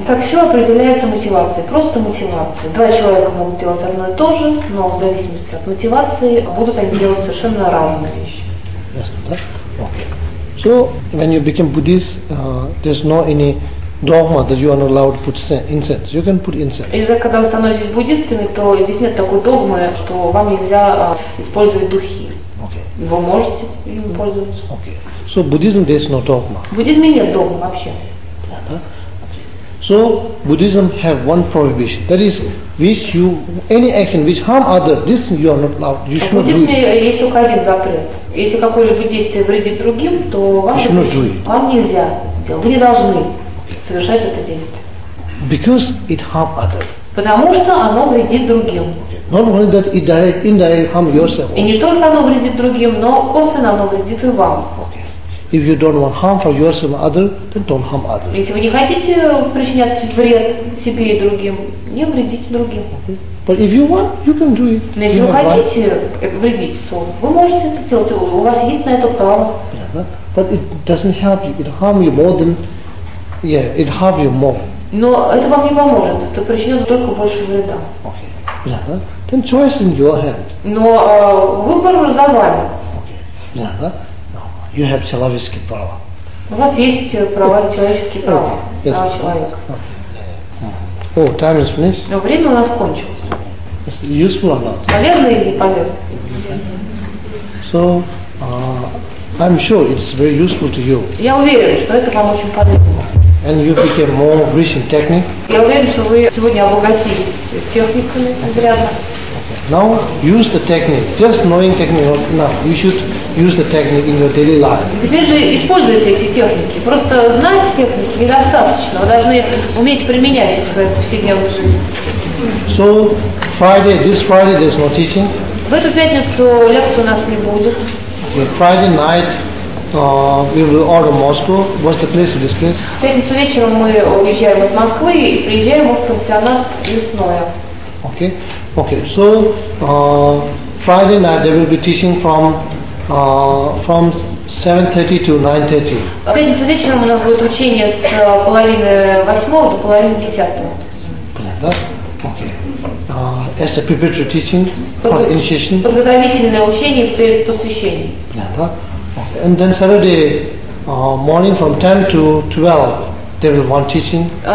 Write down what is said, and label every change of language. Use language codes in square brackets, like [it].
[ru] Так все определяется мотивацией, просто мотивацией. Два человека могут делать одно и то же, но в зависимости от мотивации будут они делать совершенно разные вещи. Ясно, да? Okay. [en] So when you become Buddhist, there's no any dogma that you are not allowed to put incense. You can put incense. [ru] И когда вы становитесь буддистами, то здесь нет такой догмы, что вам нельзя использовать духи. [en] Okay. [ru] Вы можете им пользоваться. [en] Okay. So Buddhism there is no dogma. [ru] В буддизме нет догмы вообще. [en] So Buddhism have one prohibition. That is, which you any action which harm other, this you are not allowed. You should not do it. [ru] В буддизме есть только один запрет. Если какое-либо действие вредит другим, то вам нельзя это делать. Вы не должны совершать это действие. [en] Because it harm other. [ru] Потому что оно вредит другим. [en] Not only that, it direct, indirect harm yourself. [ru] И не только оно вредит другим, но косвенно оно вредит и вам. [en] If you don't want harm for yourself and others, then don't harm others. [ru] Если вы не хотите причинять вред себе и другим, не вредите другим. [en] But if you want, you can do it. [ru] Но если вы хотите вредить, то вы можете это делать. У вас есть на это право. [en] But it doesn't help you. It harms you more than it harms you more. [ru] Но это вам не поможет. Это причинит только больше вреда. [en] Okay. Yeah. Then choice in your hand. [ru] Но выбор за вами. [en] Okay. Yeah. You have [ru] человеческие права. У вас есть права, человеческие права, yes. Права человека. [en] Oh, time is finished. [ru] Но время у нас кончилось. [en] Useful or not? [ru] Полезно или не полезно? [en] So, I'm sure it's very useful to you. [ru] Я уверен, что это вам очень полезно. [en] And you became more rich in technique. [ru] Я уверен, что вы сегодня обогатились техниками изрядно. [en] Now use the technique. Just knowing technique not enough. You should use the technique in your daily life. [ru] Теперь же используйте эти техники. Просто знать техники недостаточно. Вы должны уметь применять их в своей повседневной жизни. [en] So Friday, this Friday there's no teaching. [ru] В эту пятницу лекции у нас не будет. [en] Okay. Friday night we will order Moscow. What's the place of this place? [ru] В пятницу вечером мы уезжаем из Москвы и приезжаем в пансионат Лесное. [en] Okay. Okay, so Friday night there will be teaching from 7:30 to 9:30. [ru] В пятницу вечером у нас будет учение с половины восьмого до половины десятого. Понятно? [en] Okay. As a preparatory teaching for initiation. [ru] Подготовительное учение перед посвящением. Понятно? [en] Okay. And then Saturday morning from 10 to 12. There will be one teaching.